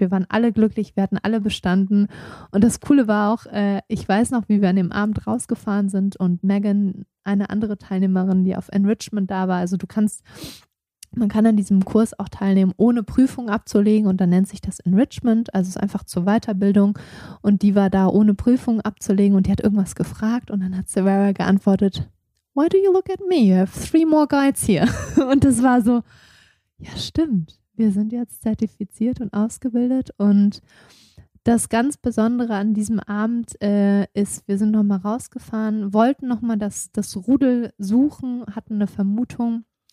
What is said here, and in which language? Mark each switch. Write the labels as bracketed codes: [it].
[de] Wir waren alle glücklich, wir hatten alle bestanden. Und das Coole war auch, ich weiß noch, wie wir an dem Abend rausgefahren sind und Megan, eine andere Teilnehmerin, die auf Enrichment da war. Also man kann an diesem Kurs auch teilnehmen, ohne Prüfung abzulegen. Und dann nennt sich das Enrichment, also es ist einfach zur Weiterbildung. Und die war da, ohne Prüfung abzulegen. Und die hat irgendwas gefragt. Und dann hat Severa geantwortet, [en] why do you look at me? You have 3 more guides here. [de] Und das war so, ja stimmt, wir sind jetzt zertifiziert und ausgebildet. Und das ganz Besondere an diesem Abend ist, wir sind nochmal rausgefahren, wollten nochmal das Rudel suchen, hatten eine Vermutung,